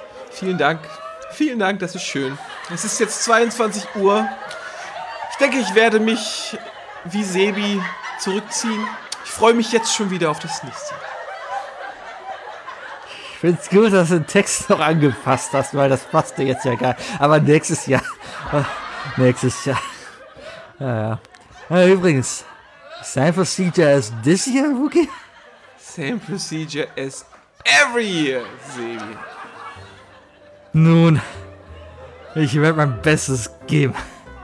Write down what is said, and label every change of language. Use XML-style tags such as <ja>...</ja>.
<de>Vielen Dank, das ist schön. Es ist jetzt 22 Uhr. Ich denke, ich werde mich wie Sebi zurückziehen. Ich freue mich jetzt schon wieder auf das nächste. Ich finde es gut, dass du den Text noch angepasst hast, weil das passte jetzt ja gar nicht. Aber nächstes Jahr. Ja. Übrigens,</de> <en>same procedure as this year, Wookie? Same procedure as every year, Sebi.</en> <de>Nun, ich werde mein Bestes geben.</de>